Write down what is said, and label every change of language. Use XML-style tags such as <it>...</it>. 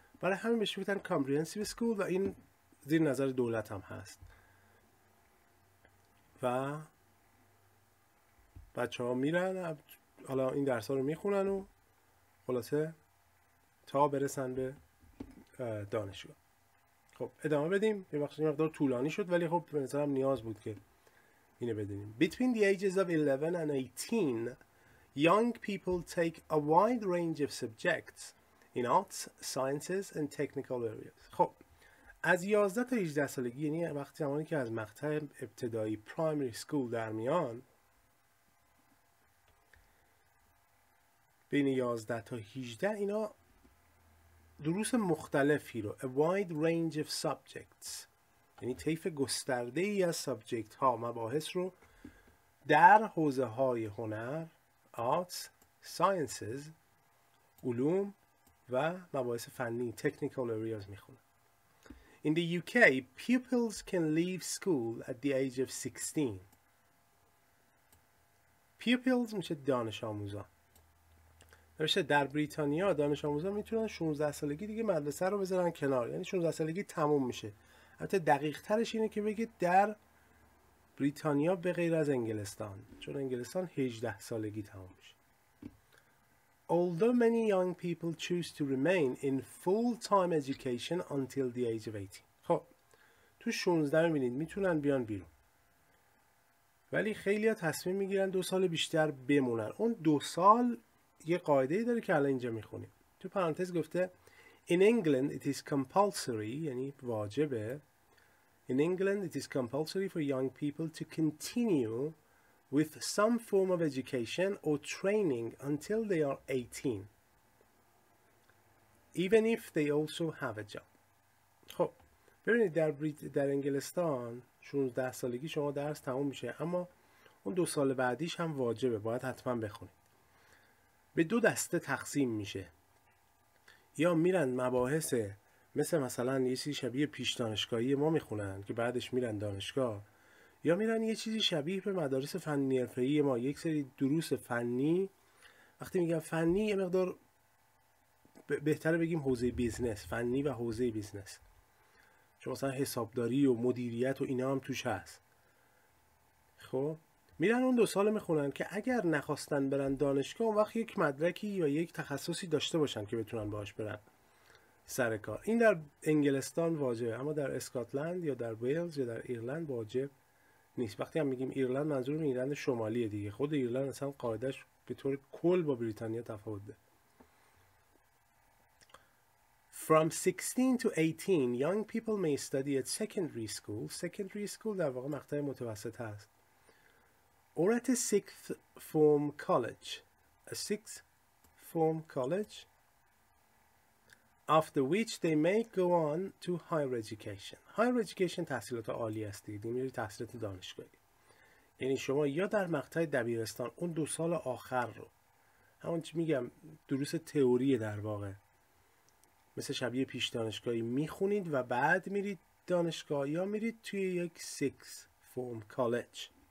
<fa>برای همین بهش میگن کامپریهنسیو سکول، و این زیر نظر دولت هم هست و بچه ها میرن حالا این درس ها رو میخونن و خلاصه تا برسن به دانشگاه. خب ادامه بدیم، یه وقت این مقدار طولانی شد ولی خب به نظرم نیاز بود که اینه بدیم.</fa> <en>Between the ages of 11 and 18 young people take a wide range of subjects in arts, sciences and technical areas. خب</en> <fa>از 11 تا 18 سالگی، یعنی وقتی زمانی که از مقطع ابتدایی پرایمری سکول در میان، بین 11 تا 18 اینا دروس مختلفی رو،</fa> <en>a wide range of subjects،</en> <fa>یعنی طیف گسترده ای از سابجکت ها، مباحث رو در حوزه های هنر، آرتس، ساینسز، علوم و مباحث فنی، تکنیکال اریاز میخونه.</fa> <en>In the UK, pupils can leave school at the age of 16.</en> <fa>Pupils میشه دانش آموزان. درسته، در بریتانیا دانش آموزان میتونن 16 سالگی دیگه مدرسه رو بذارن کنار، یعنی 16 سالگی تموم میشه. حتی دقیق ترش اینه که بگید در بریتانیا به غیر از انگلستان، چون انگلستان 18 سالگی تموم میشه.</fa> <en>Although many young people choose to remain in full-time education until the age of 18.</en> <fa>خب تو 16 میبینید میتونن بیان بیرون. ولی خیلی ها تصمیم میگیرن دو سال بیشتر بمونن. اون دو سال یه قاعده داره که الان اینجا میخونیم. تو پرانتز گفته</fa> <en>In England it is compulsory،</en> <fa>یعنی واجبه.</fa> <en>In England it is compulsory for young people to continue with some form of education or training until they are 18. Even if they also have a job.</en> <fa>خب ببینید در انگلستان 16 سالگی شما درس تموم میشه، اما اون دو سال بعدیش هم واجبه، باید حتما بخونید. به دو دسته تقسیم میشه، یا میرن مباحث مثلا یه چیزی شبیه پیش دانشگاهی ما میخونن که بعدش میرن دانشگاه، یا میرن یه چیزی شبیه به مدارس فنی حرفه‌ای ما، یک سری دروس فنی. وقتی میگم فنی یه مقدار بهتره بگیم حوزه بیزنس، فنی و حوزه بیزنس، چون مثلا حسابداری و مدیریت و اینا هم توش هست. خب میرن اون دو سال میخونن که اگر نخواستن برن دانشگاه اون وقت یک مدرکی یا یک تخصصی داشته باشن که بتونن باهاش برن سر کار. این در انگلستان واجبه، اما در اسکاتلند یا در ویلز یا در ایرلند واجب نیست. وقتی هم میگیم ایرلند، منظورم ایرلند شمالیه دیگه، خود ایرلند اصلا قاعدش به طور کل با بریتانیا تفاوت داره.</fa> <en>From 16 to 18 young people may study at secondary school.</en> <fa>Secondary school در واقع مقطع متوسط هست.</fa> <en>Or at a sixth form college. A sixth form college. After which they may go on to higher education.</en> <fa>Higher education تحصیلات عالی است دیگه، میری تحصیلات دانشگاهی. یعنی شما یا در مقطع دبیرستان اون دو سال آخر رو، همون چی میگم دروس تئوری در واقع، مثل شبیه پیش دانشگاهی میخونید و بعد میرید دانشگاه، یا میرید توی یک sixth form college.</fa>